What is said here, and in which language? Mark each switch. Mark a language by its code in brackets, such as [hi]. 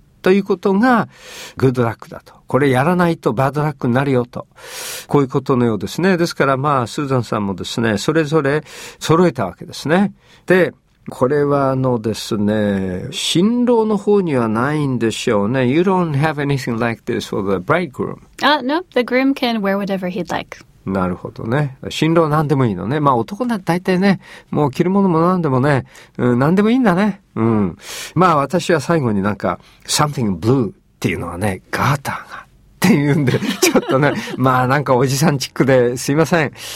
[ja] ということが、グッドラックだと。これやらないとバッドラックになるよと。こういうことのようですね。ですから、まあ、スーザンさんもですね、それぞれ揃えたわけですね。で、これはですね、新郎の方にはないんでしょうね。 [en] You don't have anything like this for the bridegroom. No, the groom can wear whatever he'd like. [ja] なるほどね。新郎なんでもいいのね。まあ男なら大体ね、もう着るものもなんでもね、なんでもいいんだね。うん。まあ私は最後になんか、 [en] something blue [ja] っていうのはね、ガーターがっていうんで、ちょっとね、まあなんかおじさんチックですいません。